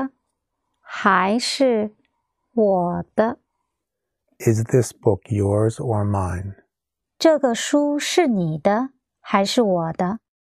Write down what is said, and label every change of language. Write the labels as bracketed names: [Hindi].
[Chinese] 这个书是你的还是我的? [English] Is this book yours or mine? [Chinese] 这个书是你的还是我的?